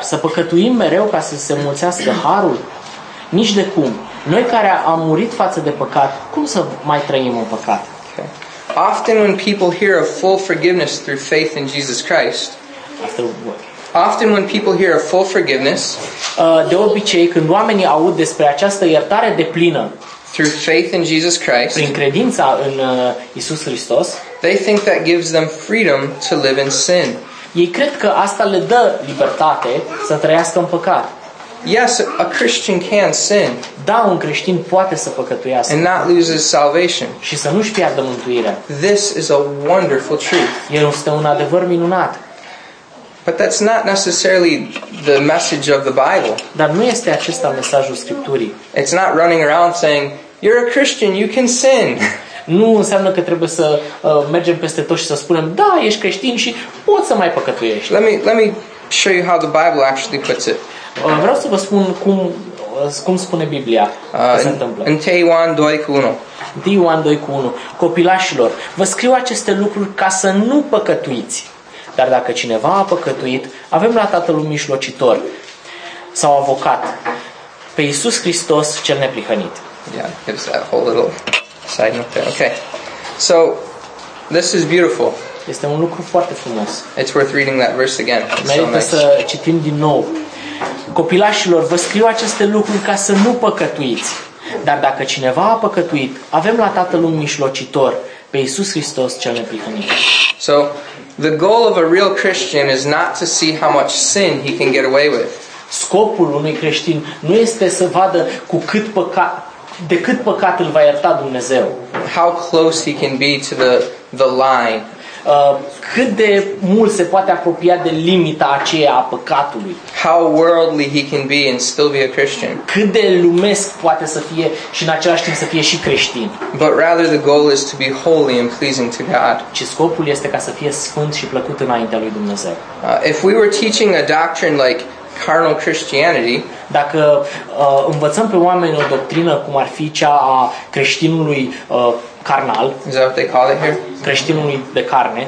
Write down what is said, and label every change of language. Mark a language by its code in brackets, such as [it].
[ro] Să păcătuim mereu ca să se mulțească harul? Nici de cum. Noi care am murit față de păcat, cum să mai trăim în păcat? [en] Okay. Often when people hear of full forgiveness through faith in Jesus Christ, often when people hear of full forgiveness, [ro] de obicei când oamenii aud despre această iertare deplină, [en] through faith in Jesus Christ, [ro] prin credința în Iisus Hristos, [en] they think that gives them freedom to live in sin. [ro] Ei cred că asta le dă libertate să trăiască în păcat. [en] Yes, a Christian can sin. [ro] Da, un creștin poate să păcătuiască. [en] And not lose his salvation. [ro] Și să nu-și piardă mântuirea. [en] This is a wonderful truth. [ro] El este un adevăr minunat. [en] But that's not necessarily the message of the Bible. [ro] Dar nu este acesta mesajul Scripturii. [en] It's not running around saying, "You're a Christian, you can sin." [ro] Nu înseamnă că trebuie să mergem peste tot și să spunem, "Da, ești creștin și poți să mai păcătuiești." [en] Let me show you how the Bible actually puts it. [ro] Vreau să vă spun cum spune Biblia că se întâmplă. Ioan 2:1. Copilașilor, vă scriu aceste lucruri ca să nu păcătuiți. Dar dacă cineva a păcătuit, avem la Tatăl un mijlocitor sau avocat, pe Iisus Hristos cel neprihănit. [en] Yeah, gives that whole little side note there. Okay. So this is beautiful. [ro] Este un lucru foarte frumos. [en] It's worth reading that verse again. [ro] Merită să citim din nou. Copilașilor, vă scriu aceste lucruri ca să nu păcătuiți. Dar dacă cineva a păcătuit, avem la Tatăl un mijlocitor, pe Iisus Hristos cel neprihănit. [en] So the goal of a real Christian is not to see how much sin he can get away with. [ro] Scopul unui creștin nu este să vadă cu cât păcat, de cât păcat îl va ierta Dumnezeu. [en] How close he can be to the line. [ro] Cât de mult se poate apropia de limita aceea a păcatului. [en] How worldly he can be and still be a Christian. [ro] Cât de lumesc poate să fie și în același timp să fie și creștin. [en] But rather the goal is to be holy and pleasing to God. [ro] Ci scopul este ca să fie sfânt și plăcut înaintea lui Dumnezeu. [en] If we were teaching a doctrine like carnal Christianity, [ro] dacă învățăm pe oameni o doctrină cum ar fi cea a creștinului carnal, [en] is that what they call it here? [ro] Creștinului de carne.